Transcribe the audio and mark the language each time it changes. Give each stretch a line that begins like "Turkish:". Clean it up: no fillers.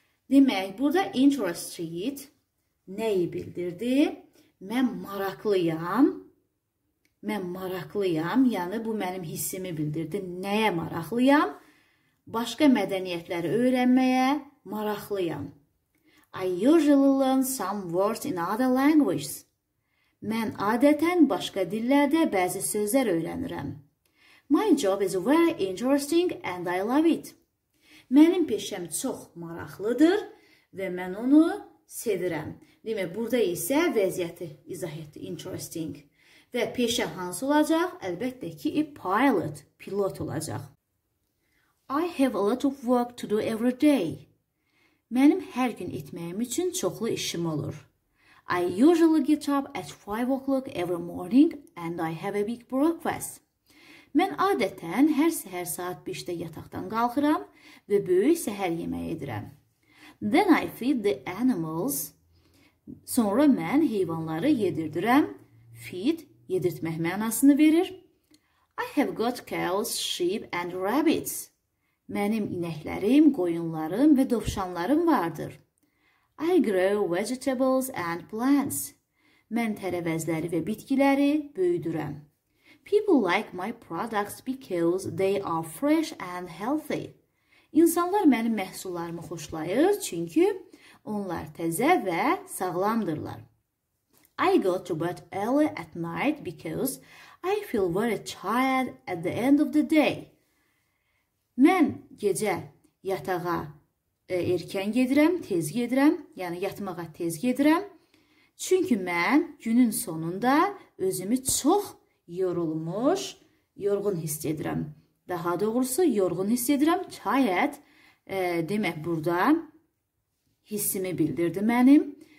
Azerbaijani: Demək, burada interested nəyi bildirdi? Mən maraqlıyam, yəni bu mənim hissimi bildirdi. Nəyə maraqlıyam? Başqa mədəniyyətləri öyrənməyə maraqlıyam.
English: I usually learn some words in other languages.
Azerbaijani: Mən adətən başqa dillərdə bəzi sözlər öyrənirəm.
English: My job is very interesting and I love it.
Azerbaijani: Mənim peşəm çox maraqlıdır və mən onu sevirəm. Demək, burada isə vəziyyəti izah etdi, interesting. Və peşə hansı olacaq? Əlbəttə ki, pilot olacaq.
English: I have a lot of work to do every day.
Azerbaijani: Mənim hər gün etməyim üçün çoxlu işim olur.
English: I usually get up at 5 o'clock every morning and I have a big breakfast.
Azerbaijani: Mən adətən hər səhər saat 5-də yataqdan qalxıram və böyük səhər yeməyi edirəm.
English: Then I feed the animals.
Azerbaijani: Sonra mən heyvanları yedirdirəm. Feed, yedirtmək mənasını verir.
English: I have got cows, sheep and rabbits.
Azerbaijani: Mənim inəklərim, qoyunlarım və dovşanlarım vardır.
English: I grow vegetables and plants.
Azerbaijani: Mən tərəvəzləri və bitkiləri böyüdürəm.
English: People like my products because they are fresh and healthy.
Azerbaijani: İnsanlar mənim məhsullarımı xoşlayır, çünki onlar təzə və sağlamdırlar.
English: I go to bed early at night because I feel very tired at the end of the day.
Azerbaijani: Mən gecə yatağa erkən gedirəm, tez gedirəm, yəni yatmağa tez gedirəm. Çünki mən günün sonunda özümü çox yorulmuş, yorğun hiss edirəm. Daha doğrusu, yorğun hiss edirəm. Tired, demək burada hissimi bildirdi mənim.